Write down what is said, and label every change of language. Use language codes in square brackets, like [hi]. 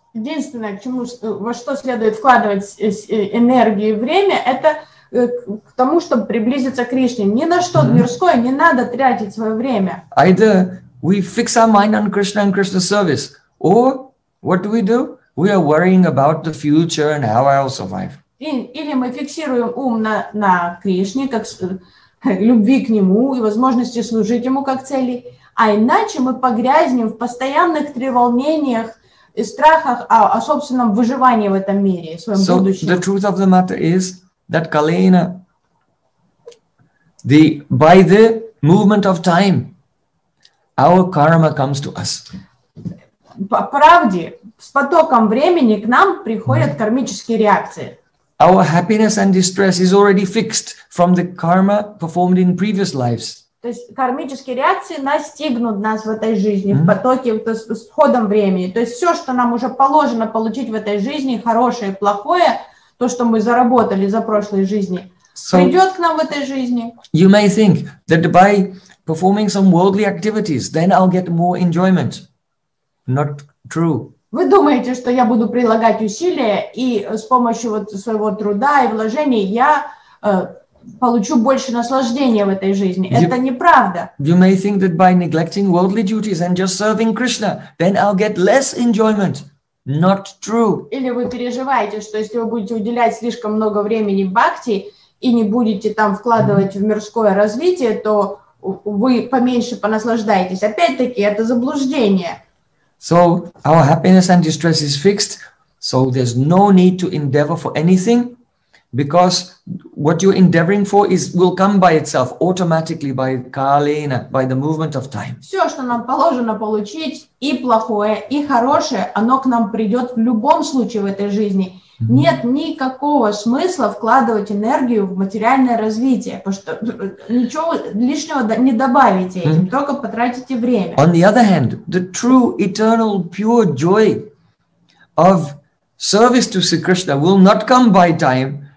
[ru] Единственное, во что следует вкладывать энергию и время, это к тому, чтобы приблизиться к Кришне. Ни на что мирское не надо тратить свое время. [en] Either we fix our mind on Krishna and Krishna's service, or what do? We are worrying about the future and how I'll survive. [ru] Или мы фиксируем ум на Кришне, как любви к Нему и возможности служить Ему как цели. А иначе мы погрязнем в постоянных треволнениях и страхах о собственном выживании в этом мире, в своем будущем. [en] So the truth of the matter is that Kalena, by the movement of time, our karma comes to us. [ru] по правде, с потоком времени к нам приходят кармические реакции. [en] Our happiness and distress is already fixed from the karma performed in previous lives. [ru] То есть кармические реакции настигнут нас в этой жизни, в потоке, то есть, с ходом времени. То есть все, что нам уже положено получить в этой жизни, хорошее и плохое, то, что мы заработали за прошлые жизни, so, придет к нам в этой жизни. [en] You may think that by performing some worldly activities, then I'll get more enjoyment. Not true. [ru] Вы думаете, что я буду прилагать усилия и с помощью вот своего труда и вложений я получу больше наслаждения в этой жизни. Это неправда. [en] You may think that by neglecting worldly duties and just serving Krishna, then I'll get less enjoyment. Not true. [ru] Или вы переживаете, что если вы будете уделять слишком много времени бхакти и не будете там вкладывать в мирское развитие, то вы поменьше понаслаждаетесь. Опять-таки, это заблуждение. [en] So our happiness and distress is fixed, so there's no need to endeavor for anything. Because what you're endeavoring for is will come by itself automatically by kalena, by the movement of time. [ru] Все, что нам положено получить, и плохое, и хорошее, оно к нам придет в любом случае в этой жизни. Mm-hmm. Нет никакого смысла вкладывать энергию в материальное развитие, потому что ничего лишнего не добавите этим, mm-hmm. только потратите время. [en] On the other hand, the true eternal pure joy of service to Sri Krishna will not come by time.